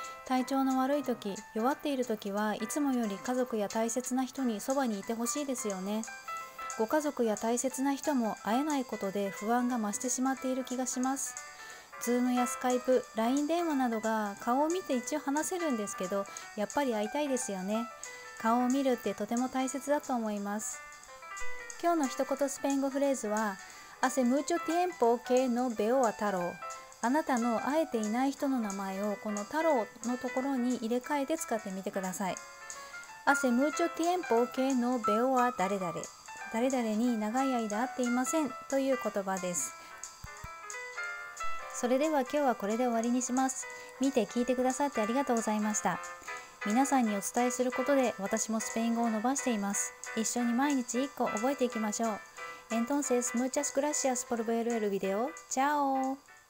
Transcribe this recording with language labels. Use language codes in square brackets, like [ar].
[ja] 体調の悪い時、弱っている時はいつもより家族や大切な人にそばにいてほしいですよね。ご家族や大切な人も会えないことで不安が増してしまっている気がします。 Zoom やスカイプ、LINE 電話などが顔を見て一応話せるんですけど、やっぱり会いたいですよね。顔を見るってとても大切だと思います。今日の一言スペイン語フレーズは、 [es] Hace mucho tiempo que no veo a Taro。 [ja] あなたの会えていない人の名前をこの太郎のところに入れ替えて使ってみてください。 [es] Hace mucho tiempo que no veo a 誰々。 [ja] 誰々に長い間会っていませんという言葉です。それでは今日はこれで終わりにします。見て聞いてくださってありがとうございました。皆さんにお伝えすることで私もスペイン語を伸ばしています。一緒に毎日1個覚えていきましょう。 [es] Entonces, muchas gracias por ver el video. Chao!